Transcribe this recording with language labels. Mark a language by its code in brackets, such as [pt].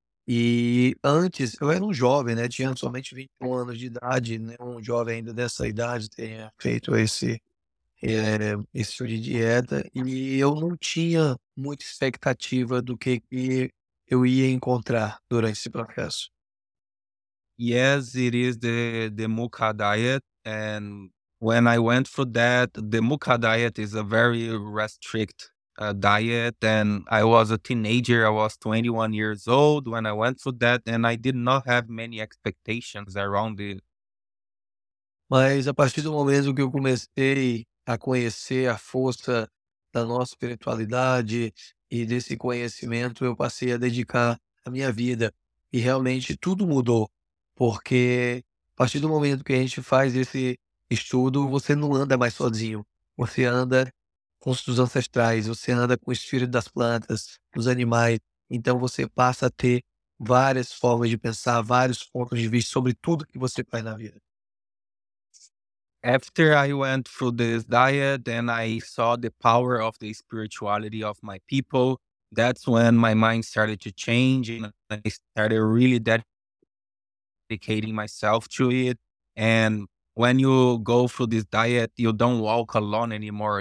[pt] E antes, eu era um jovem, né? Tinha somente 21 anos de idade, né? Um jovem ainda dessa idade tenha feito esse tipo de dieta. E eu não tinha muita expectativa do que eu ia encontrar durante esse processo. [en] Yes, it is the Mukha diet. And when I went through that, the Mukha diet is a very restrict diet. And I was a teenager. I was 21 years old when I went through that. And I did not have many expectations around it. [pt] Mas a partir do momento que eu comecei a conhecer a força da nossa espiritualidade e desse conhecimento, eu passei a dedicar a minha vida. E realmente tudo mudou. Porque a partir do momento que a gente faz esse estudo, você não anda mais sozinho. Você anda com os ancestrais, você anda com o espírito das plantas, dos animais. Então você passa a ter várias formas de pensar, vários pontos de vista sobre tudo que você faz na vida. [en] After I went through this diet, then I saw the power of the spirituality of my people. That's when my mind started to change and I started really dedicating myself to it. And when you go through this diet, you don't walk alone anymore.